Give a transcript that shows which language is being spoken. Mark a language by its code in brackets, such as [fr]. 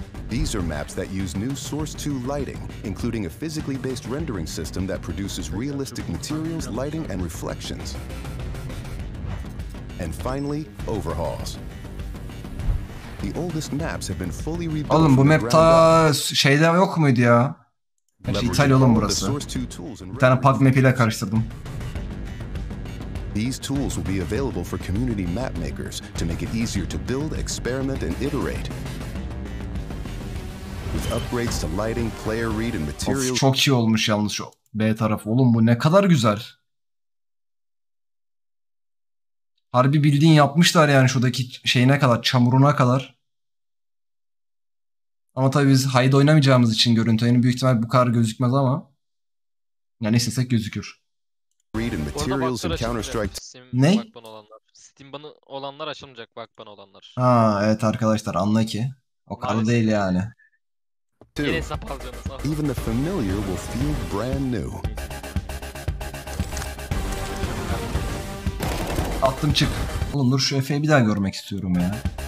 [en] These are maps that use new Source 2 lighting, including a physically based rendering system that produces realistic materials, lighting, and reflections. And finally, overhauls. The oldest maps have been fully rebuilt. [tr] Oğlum bu map ta şeyde yok muydu ya? İtalyalım burası. Bir tane PUBG map ile karıştırdım. [en] These tools will be available for community map makers to make it easier to build, experiment and iterate. With upgrades to lighting, player read and materials. [tr] Of, çok iyi olmuş yalnız o B tarafı. Oğlum bu ne kadar güzel. Harbi bildiğin yapmışlar yani şuradaki şeyine kadar, çamuruna kadar. Ama tabii biz hide oynamayacağımız için görüntü yani büyük ihtimal bu kadar gözükmez ama. Yani ne istesek gözükür. [en] Read and materials in Counter-Strike. [tr] Ne? Steam banı olanlar açılmayacak, bug banı olanlar. Ha evet arkadaşlar, anla ki. O kadar maalesef değil yani. [en] Even the familiar will feel brand new. [tr] Attım çık. Oğlum dur, şu Efe'yi bir daha görmek istiyorum ya.